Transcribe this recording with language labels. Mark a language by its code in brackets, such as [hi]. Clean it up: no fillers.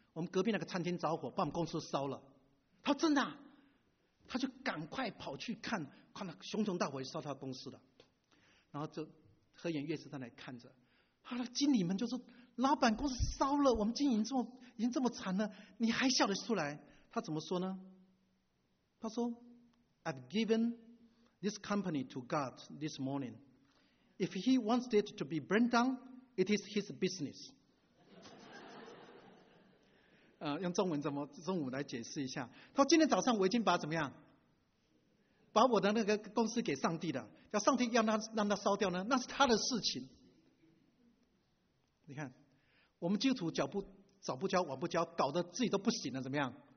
[zh] 我们隔壁那个餐厅着火，把我们公司烧了。他说真的、啊，他就赶快跑去看，看到熊熊大火烧他公司了，然后就和颜悦色在那里看着。好了，经理们就说，老板公司烧了，我们经营已经这么惨了，你还笑得出来？他怎么说呢？他说。 [en] I've given this company to God this morning. If he wants it to be burned down, it is his business. [zh] 用中文怎么中午来解释一下？他说今天早上我已经把怎么样，把我的那个公司给上帝了。要上帝要让他烧掉呢，那是他的事情。你看，我们基督徒脚不早不交晚不交，搞得自己都不行了，怎么样？